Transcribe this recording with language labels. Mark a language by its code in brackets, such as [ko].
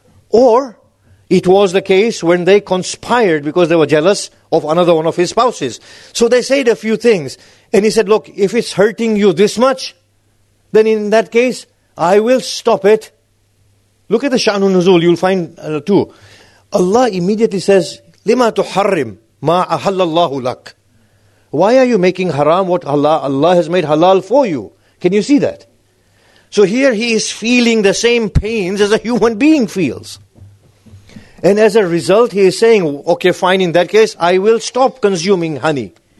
[en] Or it was the case when they conspired because they were jealous of another one of his spouses. So they said a few things. And he said, look, if it's hurting you this much, then in that case, I will stop it. Look at the Sha'nu Nuzul, you'll find two. Allah immediately says, [ar] لِمَا تُحَرِّمْ مَا أَحَلَّ اللَّهُ لَكْ. [en] Why are you making haram what Allah has made halal for you? Can you see that? So here he is feeling the same pains as a human being feels. And as a result, he is saying, okay, fine, in that case, I will stop consuming honey.